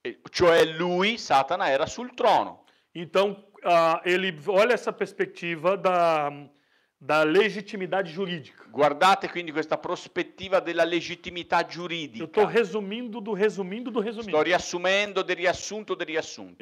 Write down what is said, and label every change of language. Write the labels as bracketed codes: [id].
[it] Cioè lui, Satana, era sul trono. [pt] Então, ele olha essa perspectiva da legitimidade jurídica. [it] Guardate quindi questa prospettiva della legittimità giuridica. [pt] Eu tô resumindo do resumindo do resumindo. [it] Sto riassumendo del riassunto del riassunto.